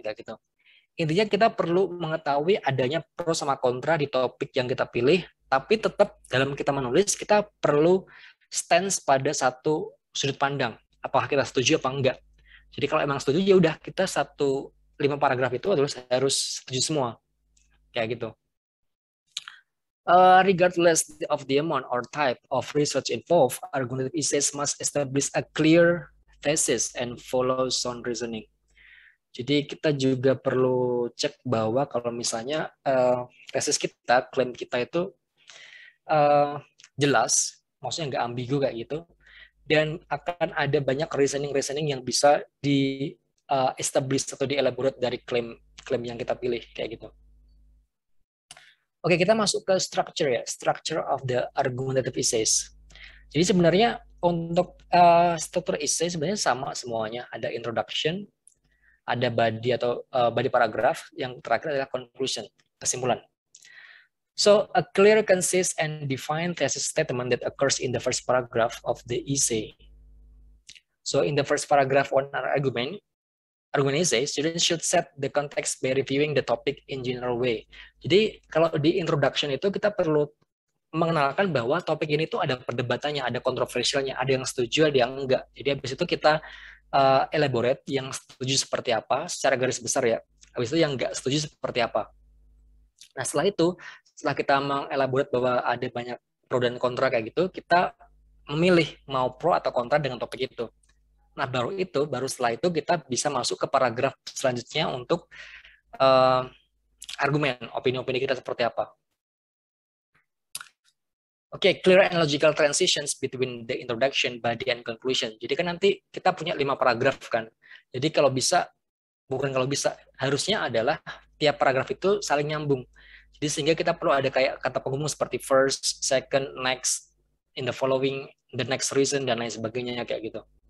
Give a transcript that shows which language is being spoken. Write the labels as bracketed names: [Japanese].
[Indonesian] Kayak gitu. Intinya kita perlu mengetahui adanya pro sama kontra di topik yang kita pilih, tapi tetap dalam kita menulis, kita perlu stance pada satu sudut pandang. Apakah kita setuju apa enggak? Jadi kalau emang setuju ya udah kita 1-5 paragraf itu harus setuju semua. Kayak gitu. [English] Regardless of the amount or type of research involved, argumentative essays must establish a clear thesis and follow sound reasoning. [Indonesian] Jadi kita juga perlu cek bahwa kalau misalnya thesis kita, klaim kita itu jelas, maksudnya nggak ambigu kayak gitu, dan akan ada banyak reasoning-reasoning yang bisa di establish atau di elaborate dari klaim-klaim yang kita pilih kayak gitu. Oke, kita masuk ke structure ya, [English] structure of the argumentative essays. [Indonesian] Jadi sebenarnya untuk struktur essay sebenarnya sama semuanya, ada introduction, ada body atau body paragraph, yang terakhir adalah conclusion, kesimpulan. [English] So, a clear, concise, and defined thesis statement that occurs in the first paragraph of the essay. So, in the first paragraph on our argument essay, students should set the context by reviewing the topic in general way. [Indonesian] Jadi, kalau di introduction itu kita perlu mengenalkan bahwa topik ini tuh ada perdebatannya, ada kontroversialnya, ada yang setuju, ada yang enggak. Jadi, habis itu kita elaborate yang setuju seperti apa, secara garis besar ya. Habis itu yang enggak setuju seperti apa. Nah, setelah itu, setelah kita mengelaborate bahwa ada banyak pro dan kontra kayak gitu, kita memilih mau pro atau kontra dengan topik itu. Nah, baru setelah itu kita bisa masuk ke paragraf selanjutnya untuk argumen, opini-opini kita seperti apa. [English] Okay, clear and logical transitions between the introduction, body, and conclusion. [Indonesian] Jadi kan nanti kita punya 5 paragraf kan. Jadi kalau bisa, bukan kalau bisa, harusnya adalah tiap paragraf itu saling nyambung. Jadi sehingga kita perlu ada kayak kata penghubung seperti first, second, next, in the following, the next reason, dan lain sebagainya kayak gitu.